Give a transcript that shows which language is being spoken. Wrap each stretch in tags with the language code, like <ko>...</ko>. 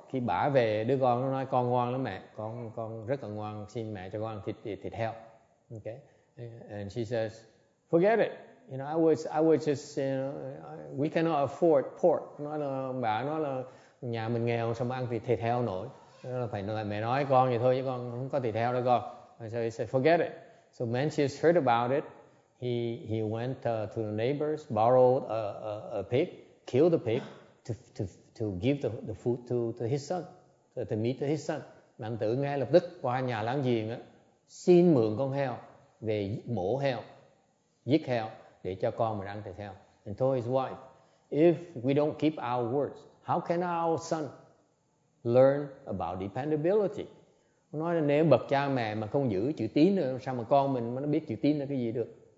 <vi>Khi bà về, đứa con nó nói con ngoan lắm mẹ, con rất là ngoan, xin mẹ cho con ăn thịt heo.</vi> <en>Okay, and she says, forget it, you know, I was just, you know, we cannot afford pork.</en> <vi>Nói là bà nói là nhà mình nghèo, sao mà ăn thịt heo nổi. Nó là phải nói, mẹ nói con vậy thôi chứ con không có thịt heo đâu con.</vi> <en>And so he said, forget it. So Mencius heard about it, he went to the neighbors, borrowed a pig, killed the pig to give the food to his son, to meet to his son.</en> <vi>Mạnh Tử nghe lập tức qua nhà láng giềng á, xin mượn con heo về mổ heo, giết heo để cho con mình ăn thịt heo.</vi> <en>And told his wife, if we don't keep our words, how can our son learn about dependability?</en> <vi>Nói là nếu bậc cha mẹ mà không giữ chữ tín nữa, sao mà con mình mà nó biết chữ tín là cái gì được?</vi>